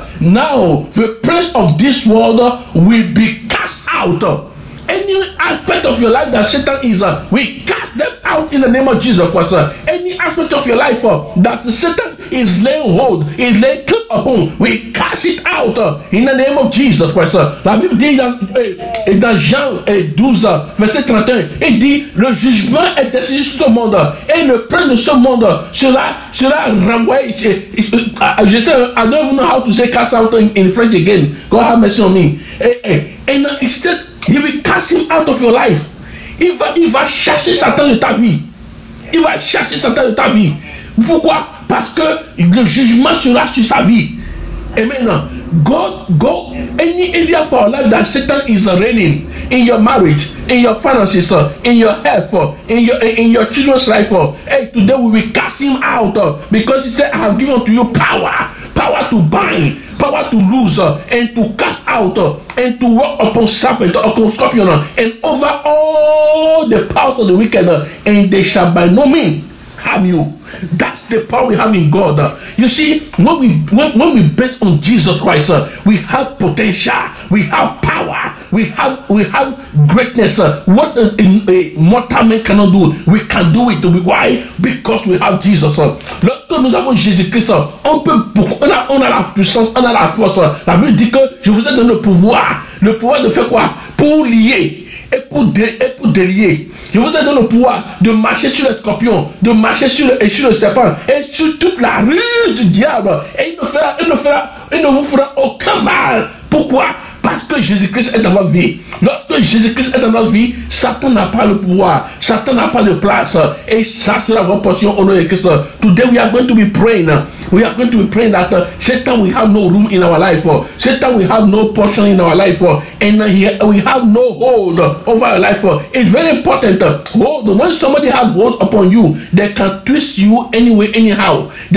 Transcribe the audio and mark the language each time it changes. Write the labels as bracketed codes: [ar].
[en] Now the prince of this world will be cast out. Any aspect of your life that Satan is, we cast them out in the name of Jesus Christ. Any aspect of your life that Satan is laying hold, is laying claim upon, we cast it out in the name of Jesus Christ. [fr] La Bible dit dans Jean 12, verset 31, il dit, le jugement est décidé sur ce monde, et le prince de ce monde sera renvoyé. Je sais, [en] I don't even know how to say cast out in French again. God have mercy on me. And instead, he will cast him out of your life. [fr] Il va chercher Satan de ta vie. Il va chercher Satan de ta vie. Pourquoi? Parce que le jugement sera sur sa vie. Amen. [en] Go any area for our life that Satan is reigning in your marriage, in your finances, in your health, in your children's life. Hey, today we will cast him out because he said, I have given to you power to bind. power to loose and to cast out and to walk upon serpent, upon scorpion, and over all the powers of the wicked, and they shall by no means harm you. That's the power we have in God. You see, when we base on Jesus Christ, we have potential, we have power, we have greatness. What a mortal man cannot do, we can do it. Why? Because we have Jesus. [fr] Lorsque nous avons Jésus Christ, on peut beaucoup. On a la puissance, on a la force. La Bible dit que je vous ai donné le pouvoir de faire quoi? Pour lier et pour délier. Je vous ai donné le pouvoir de marcher sur les scorpions, de marcher sur le serpent et sur toute la rue du diable. Et il ne vous fera aucun mal. Pourquoi? Parce que Jésus-Christ est dans votre vie. Lorsque Jésus-Christ est dans votre vie, Satan n'a pas le pouvoir, Satan n'a pas de place. Et ça sera votre portion au nom de Christ. [en] Today we are going to be praying. We are going to be praying that Satan we have no room in our life. Satan we have no portion in our life. We have no hold over our life. It's very important. Hold. When somebody has hold upon you, they can twist you anyway, anyhow.